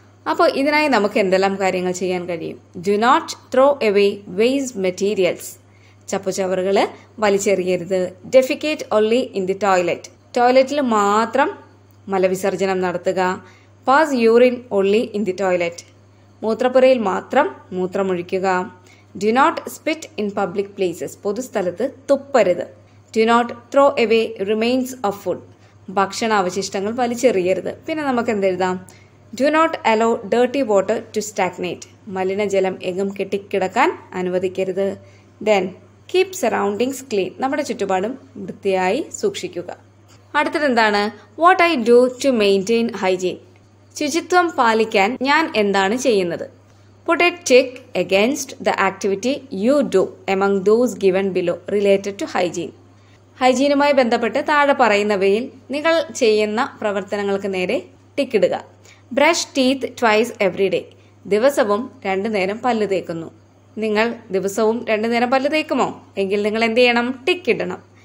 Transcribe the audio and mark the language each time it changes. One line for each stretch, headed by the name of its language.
Malayalam: അപ്പോൾ ഇതിനായി നമുക്ക് എന്തെല്ലാം കാര്യങ്ങൾ ചെയ്യാൻ കഴിയും?
English: Do not throw away waste materials.
Malayalam: ചപ്പുചവറുകൾ വലിച്ചെറിയരുത്.
English: defecate only in the toilet,
Malayalam: ടോയ്ലറ്റിൽ മാത്രം മലവിസർജനം നടത്തുക.
English: pass urine only in the toilet,
Malayalam: മൂത്രപ്പുരയിൽ മാത്രം മൂത്രമൊഴിക്കുക.
English: Do not spit in public places.
Malayalam: പൊതുസ്ഥലത്ത് തുപ്പരുത്.
English: Do not throw away remains of food.
Malayalam: ഭക്ഷണ അവശിഷ്ടങ്ങൾ വലിച്ചെറിയരുത്. പിന്നെ നമുക്ക് എന്തെഴുതാം?
English: Do not allow dirty water to stagnate.
Malayalam: മലിനജലം എങ്ങും കെട്ടിക്കിടക്കാൻ അനുവദിക്കരുത്.
English: Then keep surroundings clean.
Malayalam: നമ്മുടെ ചുറ്റുപാടും വൃത്തിയായി സൂക്ഷിക്കുക. അടുത്തത് എന്താണ്?
English: What I do to maintain hygiene.
Malayalam: ശുചിത്വം പാലിക്കാൻ ഞാൻ എന്താണ് ചെയ്യുന്നത്?
English: Put a tick against the activity you do among those given below related to hygiene.
Malayalam: ഹൈജീനുമായി ബന്ധപ്പെട്ട് താഴെ പറയുന്നവയിൽ നിങ്ങൾ ചെയ്യുന്ന പ്രവർത്തനങ്ങൾക്ക് നേരെ ടിക്ക് ഇടുക.
English: brush teeth twice every day,
Malayalam: ദിവസവും രണ്ടു നേരം പല്ല് തേക്കുന്നു. നിങ്ങൾ ദിവസവും രണ്ടു നേരം പല്ല് തേക്കുമോ? എങ്കിൽ നിങ്ങൾ എന്ത് ചെയ്യണം? ടിക്ക് ഇടണം.